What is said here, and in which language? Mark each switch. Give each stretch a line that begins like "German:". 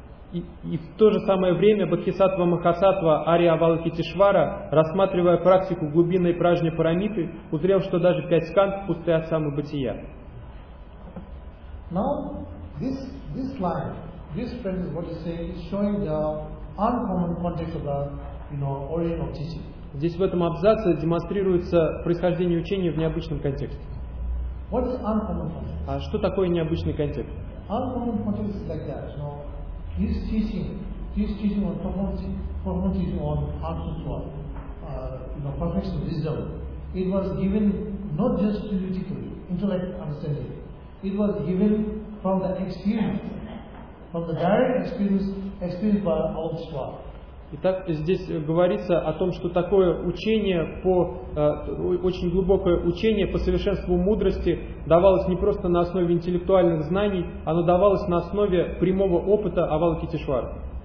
Russian: И в то же самое время Бодхисаттва Махасаттва Ария Авалокитешвара, рассматривая практику глубинной пражни парамиты, узрел, что даже пять скан пусты от самого бытия.
English: Now this line, this phrase is what you say, is showing the uncommon context of the oriental teaching.
Russian: Здесь в этом абзаце демонстрируется происхождение учения в необычном контексте.
English: What is uncommon context?
Russian: А что такое необычный контекст?
English: Uncommon context is like that, This teaching on profound teaching on heart sutra, perfection wisdom, it was given not just theoretically, intellect understanding. It was given from the experience, from the direct experience by our sutra.
Russian: Итак, здесь говорится о том, что такое учение очень глубокое учение по совершенству мудрости давалось не просто на основе интеллектуальных знаний, оно давалось на основе прямого опыта Авалокитешвар.